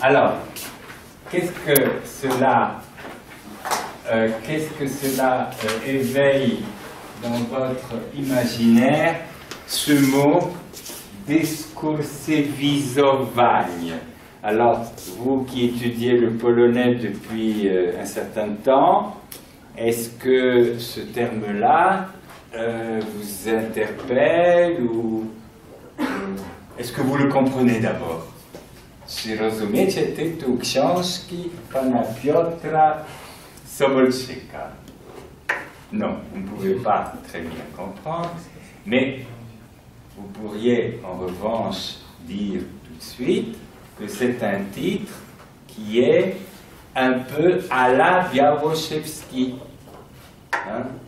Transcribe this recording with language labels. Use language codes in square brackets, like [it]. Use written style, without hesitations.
[fr] Alors, qu'est-ce que cela éveille dans votre imaginaire, ce mot Discursewizowanie? Alors, vous qui étudiez le polonais depuis un certain temps, est-ce que ce terme-là vous interpelle ou... Est-ce que vous le comprenez d'abord? [pl] Czy rozumiecie tytuł książki pana Piotra Sobolczyka? [fr] Non, vous ne pouvez pas très bien comprendre, mais vous pourriez en revanche dire tout de suite que c'est un titre qui est un peu à la Białoszewski. Hein?